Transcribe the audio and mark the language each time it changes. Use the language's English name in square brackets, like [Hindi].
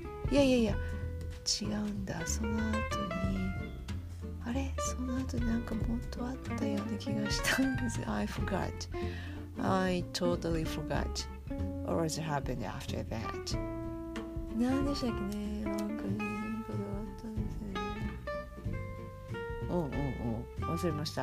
[Japanese] いやいやいや違うんだ、その後にあれ、その後になんかもっとあったような気がしたんです。 [English] I forgot, I totally forgot what happened after that。 [Japanese] 何でしたっけね、なんかいいことがあったんですね。うんうんうん、忘れました。